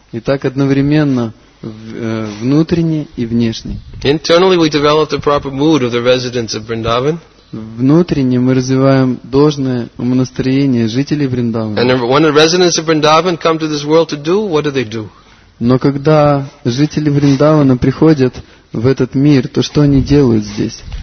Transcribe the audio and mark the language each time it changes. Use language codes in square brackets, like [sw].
[ru] Итак, одновременно внутренне и внешне. [en] Internally we develop the proper mood of the residents of Vrindavan. [ru] Внутренне мы развиваем должное умонастроение жителей Вриндавана. [en] And when the residents of Vrindavan come to this world to do, what do? [ru] Но когда жители Вриндавана приходят в этот мир, то что они делают здесь?